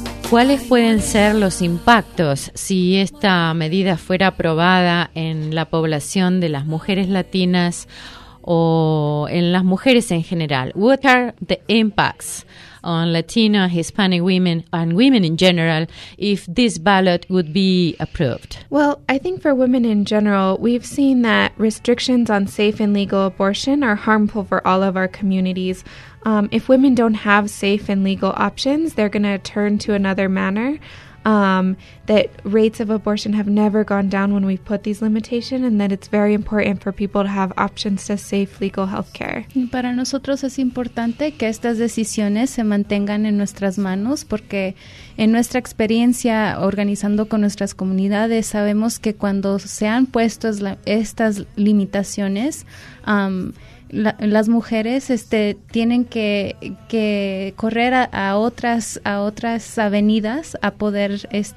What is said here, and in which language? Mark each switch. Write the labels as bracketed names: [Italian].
[Spanish] ¿Cuáles pueden ser los impactos si esta medida fuera aprobada en la población de las mujeres latinas o en las mujeres en general? [English] What are the impacts on Latino, Hispanic women and women in general if this ballot would be approved? Well, I think for women in general, we've seen that restrictions on safe and legal abortion are harmful for all of our communities. If women don't have safe and legal options, they're going to turn to another manner. That rates of abortion have never gone down when we've put these limitations, and that it's very important for people to have options to safe legal health care. [Spanish] Para nosotros es importante que estas decisiones se mantengan en nuestras manos, porque en nuestra experiencia organizando con nuestras comunidades sabemos que cuando se han puesto estas limitaciones, las mujeres tienen que correr a otras avenidas a poder